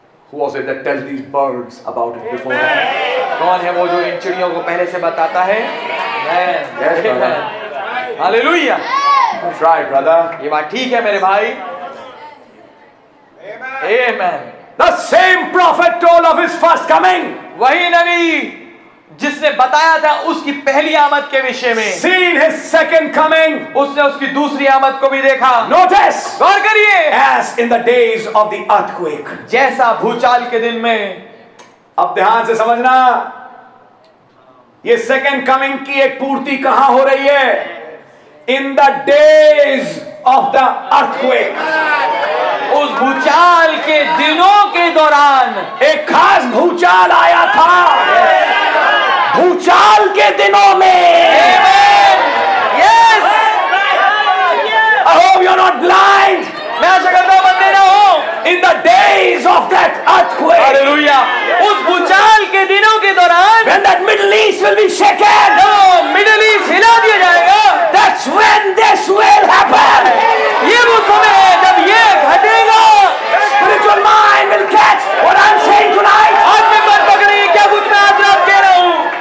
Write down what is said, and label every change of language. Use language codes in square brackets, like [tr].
[en] Who was it that tells these birds about it before? [hi] कौन है वो जो इन चिड़ियों को पहले से बताता है? [en] Yes, brother. Hallelujah. That's right, brother. [hi] ये बात ठीक है मेरे भाई। Amen. [en] The same prophet told of his first coming. [hi] वही नबी जिसने बताया था उसकी पहली आमद के विषय में। [en] Seen his second coming, [hi] उसने उसकी दूसरी आमद को भी देखा। [en] Notice, [hi] गौर करिए। [en] As in the days of the earthquake, [hi] जैसा भूचाल के दिन में। अब ध्यान से समझना, ये [en] second coming [hi] की एक पूर्ति कहां हो रही है? [en] In the days of the earthquake, [hi] उस भूचाल के दिनों के दौरान एक खास भूचाल आया था। भूचाल के दिनों में। [en] Yes. I hope you're not blind. [hi] मैं आशा करता हूँ बंदे ना हो। [en] In the days of that earthquake. Hallelujah. [hi] उस भूचाल के दिनों के दौरान. [en] When that Middle East will be shaken. No, [hi] Middle East हिला दिया जाएगा. [en] That's when this will happen. [hi] ये वो समय है जब ये घटेगा. [en] Spiritual mind will catch what I'm saying tonight. [hi] आज मैं बात कर रही हूँ क्या कुछ मैं आज रात कह रहा हूँ.